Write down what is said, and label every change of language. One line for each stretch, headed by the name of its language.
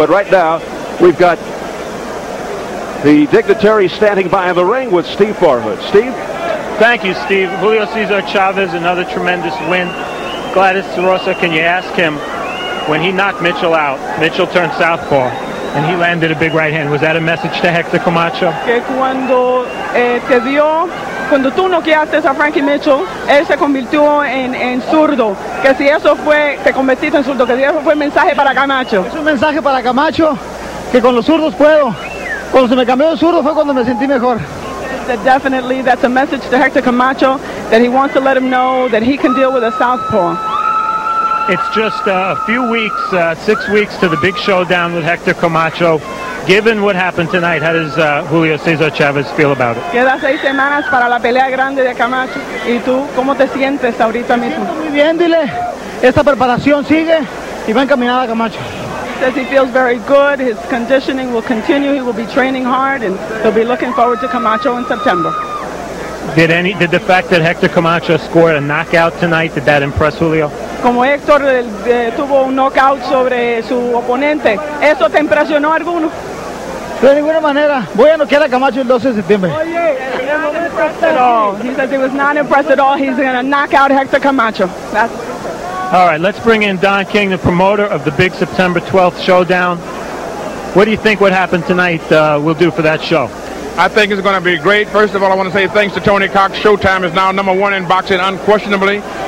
English: But right now, we've got the dignitary standing by in the ring with Steve Farhood. Steve? Thank you, Steve. Julio Cesar Chavez, another tremendous win. Gladys Rosa, can you ask him, when he knocked Mitchell out, Mitchell turned southpaw, and he landed a big right hand. Was that a message to Hector Camacho?
Spanish: Que cuando te dio, cuando tú noqueaste a Frankie Mitchell, él se convirtió en zurdo. Que si eso fue, te convertiste en zurdo, que si eso fue mensaje para Camacho. Es un mensaje para Camacho, que con los zurdos puedo. Cuando se me cambió el zurdo fue cuando me sentí mejor.
English: That definitely, that's a message to Hector Camacho, that he wants to let him know that he can deal with a southpaw. It's just a few weeks, 6 weeks to the big showdown with Hector Camacho. Given what happened tonight, how does Julio Cesar Chavez feel about it?
Spanish: Queda seis semanas para la pelea grande de Camacho. ¿Y tú cómo te sientes ahorita mismo? Muy bien, dile. Esta preparación sigue y va encaminada a Camacho.
English: He says he feels very good. His conditioning will continue. He will be training hard, and he'll be looking forward to Camacho in September. Did the fact that Hector Camacho scored a knockout tonight, did that impress Julio?
Spanish: Como Hector tuvo un knockout sobre su oponente, ¿eso te impresionó alguno? De ninguna manera. Voy a noquear a Camacho el 12 de septiembre. Oye,
English: he's not impressed at all. He says he was not impressed at all. He's going to knock out Hector Camacho. All right, let's bring in Don King, the promoter of the big September 12th showdown. What do you think what happened tonight will do for that show? I think it's going to be great. First of all, I want to say thanks to Tony Cox. Showtime is now number one in boxing, unquestionably.